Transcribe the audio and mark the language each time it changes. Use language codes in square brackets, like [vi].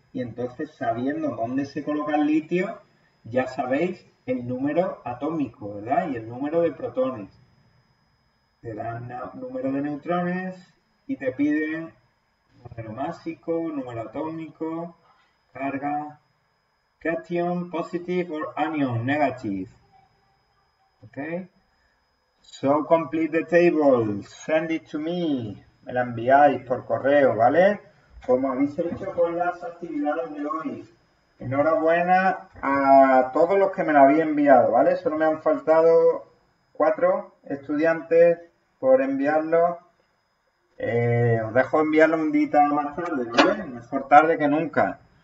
[es] Y entonces sabiendo dónde se coloca el litio, ya sabéis el número atómico, ¿verdad? Y el número de protones. Te dan el número de neutrones y te piden número másico, número atómico, carga, cation, [en] positive or anion, negative. [es] ¿Ok? [en] So complete the table, send it to me. [es] Me la enviáis por correo, ¿vale? Como habéis hecho con las actividades de hoy. Enhorabuena a todos los que me la habéis enviado, ¿vale? Solo me han faltado cuatro estudiantes por enviarlo. Os dejo enviarlo un día más tarde, ¿vale? Mejor tarde que nunca.